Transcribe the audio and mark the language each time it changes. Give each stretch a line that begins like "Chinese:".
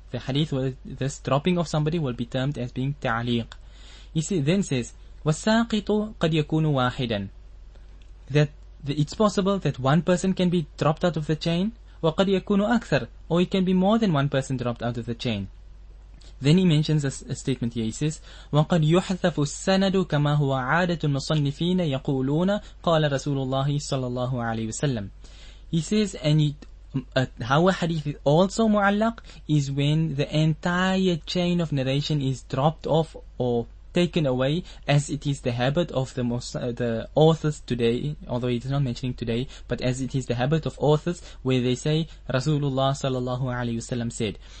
English: The hadith, this dropping of somebody will be termed as being ta'liq. He then says
Arabic: wasaqitu qad yakunu wahidan,
English: that it's possible that one person can be dropped out of the chain,
Arabic: وَقَدْ يَكُونُ أَكْثَرُ,
English: or it can be more than one person dropped out of the chain. Then he mentions a statement here. He says,
Arabic: وَقَدْ يُحْذَفُ السَّنَدُ كَمَا هُوَ عَادَةُ الْمُصَنِّفِينَ يَقُولُونَ قَالَ رَسُولُ اللَّهِ صَلَى اللَّهُ عَلَيْهِ وَسَلَّمُ.
English: He says, and how a hadith is also mu'allaq is when the entire chain of narration is dropped off or taken away, as it is the habit of the authors today, although it is not mentioning today, but as it is the habit of authors where they say Rasulullah sallallahu alayhi wasallam said.